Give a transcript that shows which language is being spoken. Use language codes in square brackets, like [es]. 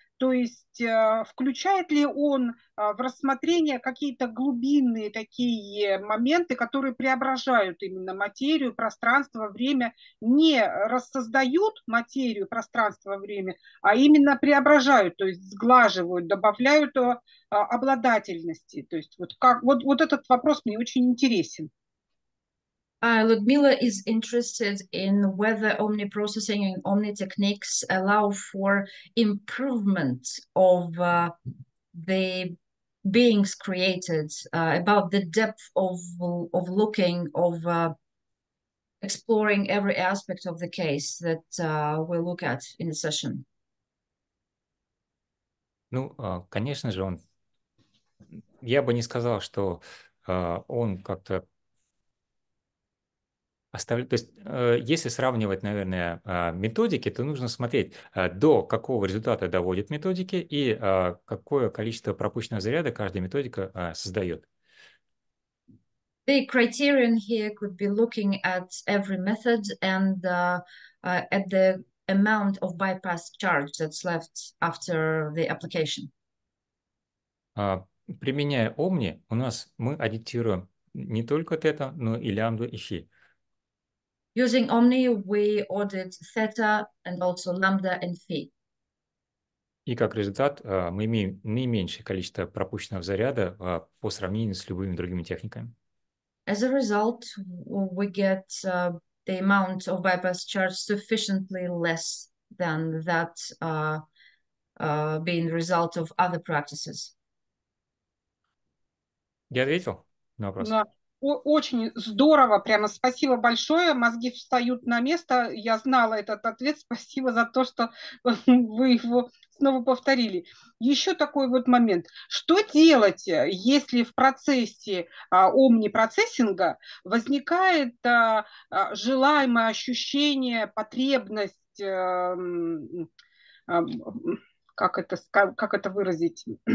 [ru] То есть включает ли он в рассмотрение какие-то глубинные такие моменты, которые преображают именно материю, пространство, время, не рассоздают материю, пространство, время, а именно преображают, то есть сглаживают, добавляют обладательности. То есть вот как вот этот вопрос мне очень интересен. [en] Людмила is interested in whether omniprocessing and omnitechniques allow for improvement of the beings created, about the depth of looking, of exploring every aspect of the case that we look at in the session. [ru] Ну, конечно же, он... Я бы не сказал, что он как-то оставляет... То есть, если сравнивать, наверное, методики, то нужно смотреть, до какого результата доводят методики и какое количество пропущенного заряда каждая методика создает. [en] The criterion here could be looking at every method and at the amount of bypass charge that's left after the application. [ru] Применяя Омни, у нас мы аддитируем не только тета, но и лямбду, и хи. [en] Using Omni, we audit theta and also lambda and phi. [ru] И как результат, мы имеем наименьшее количество пропущенного заряда по сравнению с любыми другими техниками. [en] As a result, we get the amount of bypass charge sufficiently less than that being the result of other practices. [ru] Я ответил на вопрос. Да. Очень здорово, прямо спасибо большое, мозги встают на место, я знала этот ответ, спасибо за то, что вы его снова повторили. Еще такой вот момент, что делать, если в процессе омнипроцессинга возникает желаемое ощущение, потребность, как это выразить?